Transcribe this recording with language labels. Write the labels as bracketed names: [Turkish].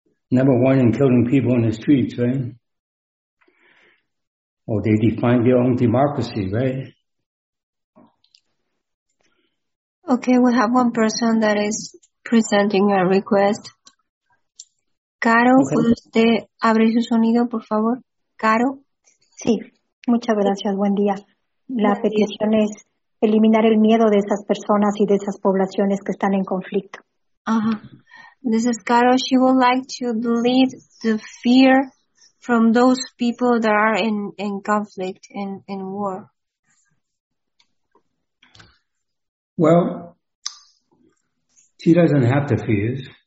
[English] Number one in killing people in the streets, right? Or they define their own democracy, right? Okay, we have one person that is presenting a request. [Spanish] Caro, ¿puede usted abrir su sonido, por favor? Caro. Sí, muchas gracias, buen día. La petición es eliminar el miedo de esas personas y de esas poblaciones que están en conflicto. [English] This is Caro. She would like to delete the fear from those people that are in conflict, in war. Well, she doesn't have the fears.